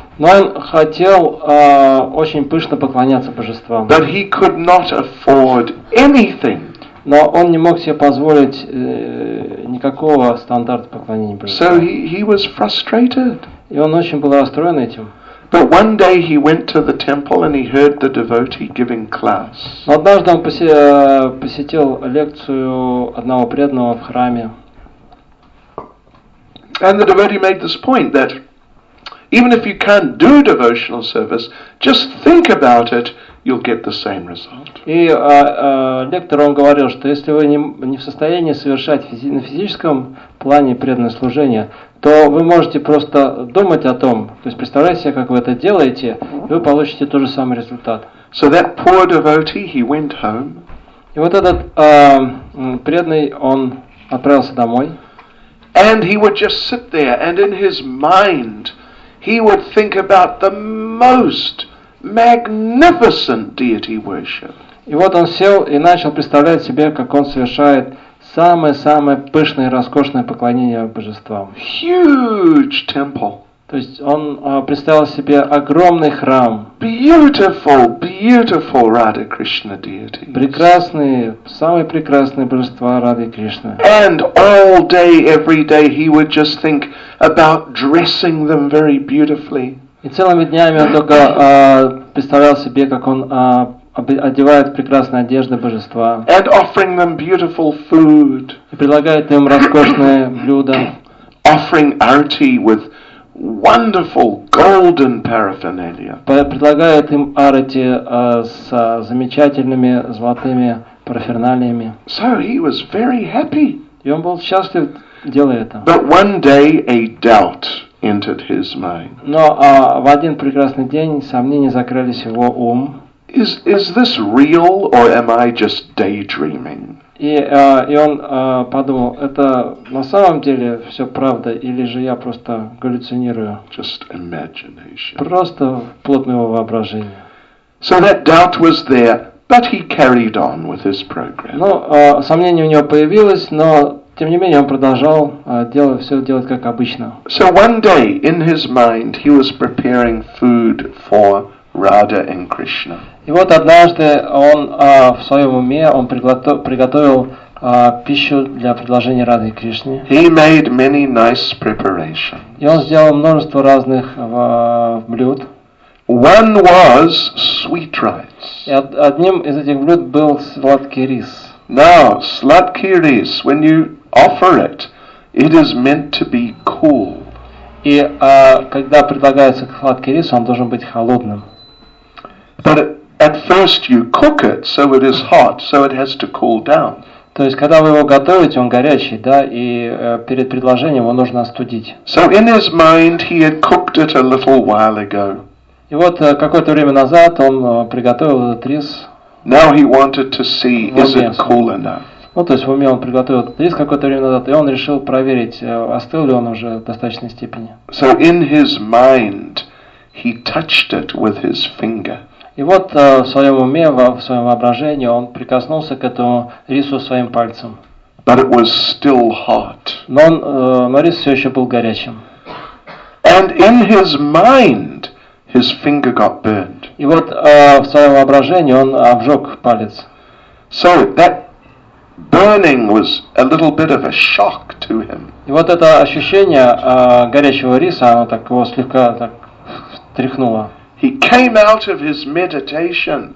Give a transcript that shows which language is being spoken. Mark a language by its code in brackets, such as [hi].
[ru] Но он хотел очень пышно поклоняться божествам. [en] But he could not afford anything. [ru] Но он не мог себе позволить никакого стандарта поклонения божествам. [en] So he was frustrated. [ru] И он очень был расстроен этим. [en] But one day he went to the temple and he heard the devotee giving class. [ru] Но однажды он посетил лекцию одного преданного в храме. [en] And the devotee made this point that even if you can't do devotional service, just think about it, you'll get the same result. [ru] И лектор он говорил, что если вы не в состоянии совершать на физическом плане преданное служение, то вы можете просто думать о том, то есть представлять себе, как вы это делаете, и вы получите тот же самый результат. [en] So that poor devotee, he went home. [ru] И вот этот преданный, он отправился домой. [en] And he would just sit there, and in his mind, he would think about the most magnificent deity worship. [ru] И вот он сел и начал представлять себе, как он совершает самое-самое пышное и роскошное поклонение божествам. [en] Huge temple. [ru] То есть он представил себе огромный храм. [en] Beautiful, beautiful Radha Krishna deity. [ru] Прекрасные, самые прекрасные божества Радхи Кришны. [en] And all day, every day, he would just think about dressing them very beautifully. [ru] И целыми днями он только представлял себе, как он одевает прекрасные одежды божества. [en] And offering them beautiful food. [ru] И предлагает им роскошные блюда. [en] Offering arti with wonderful golden paraphernalia. [ru] Предлагает им арати с замечательными золотыми параферналиями. [en] So he was very happy. [ru] И он был счастлив, делая это. [en] But one day a doubt entered his mind. [ru] Но в один прекрасный день сомнения закрылись в его ум. [en] Is this real or am I just daydreaming? [ru] И он подумал, это на самом деле все правда, или же я просто галлюцинирую? [en] Just imagination. [ru] Просто плод моего воображения. [en] So that doubt was there, but he carried on with his program. [ru] Ну, сомнение у него появилось, но тем не менее он продолжал делать как обычно. [en] So one day in his mind he was preparing food for Radha and Krishna. [ru] И вот однажды он в своем уме он приготовил пищу для предложения Радхи Кришне. [en] He made many nice preparations. [ru] И он сделал множество разных блюд. [en] One was sweet rice. [ru] И одним из этих блюд был сладкий рис. [en] Now, [ru] сладкий рис, [en] when you offer it, it is meant to be cool. [ru] И когда предлагается сладкий рис, он должен быть холодным. [en] But at first you cook it, so it is hot, so it has to cool down. [ru] То есть, когда вы его готовите, он горячий, да, и перед предложением его нужно остудить. [en] So in his mind he had cooked it a little while ago. [ru] И вот какое-то время назад он приготовил этот рис. [en] Now he wanted to see, is it cool enough? [ru] Ну, то есть в уме он приготовил этот рис какое-то время назад, и он решил проверить, остыл ли он уже в достаточной степени. [en] So in his mind he touched it with his finger. [ru] И вот в своем уме, в своем воображении он прикоснулся к этому рису своим пальцем. [en] But it was still hot. [ru] Но рис все еще был горячим. [en] And in his mind, his finger got burned. [ru] И вот в своем воображении он обжег палец. [en] So that burning was a little bit of a shock to him. [ru] И вот это ощущение горячего риса, оно так его слегка так встряхнуло. [en] He came out of his meditation.